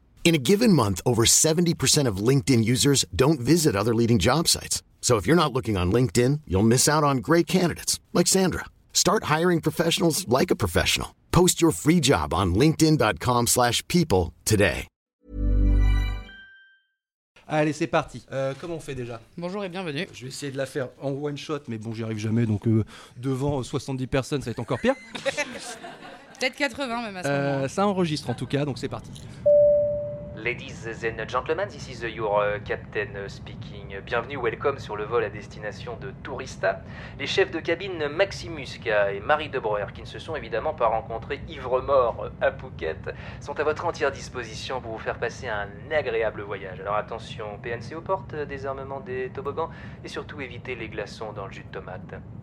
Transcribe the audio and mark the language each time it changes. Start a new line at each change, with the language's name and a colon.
English: In a given month, over 70% of LinkedIn users don't visit other leading job sites. So if you're not looking on LinkedIn, you'll miss out on great candidates, like Sandra. Start hiring professionals like a professional. Post your free job on linkedin.com/people today.
French: Allez, c'est parti. Comment on fait déjà ? Bonjour et bienvenue. Je vais essayer de la faire en one shot, mais bon, j'y arrive jamais. Donc devant 70 personnes, ça va être encore pire. Peut-être 80 même à ce moment. Ça enregistre en tout cas, donc c'est parti.
English: Ladies and gentlemen, this is your captain speaking.
French: Bienvenue, welcome sur le vol à destination de Tourista. Les chefs de cabine Maximusca et Marie De Breuer, qui ne se sont évidemment pas rencontrés ivre-morts à Phuket, sont à votre entière disposition pour vous faire passer un agréable voyage. Alors attention, PNC aux portes, désarmement des toboggans, et surtout évitez les glaçons dans le jus de tomate.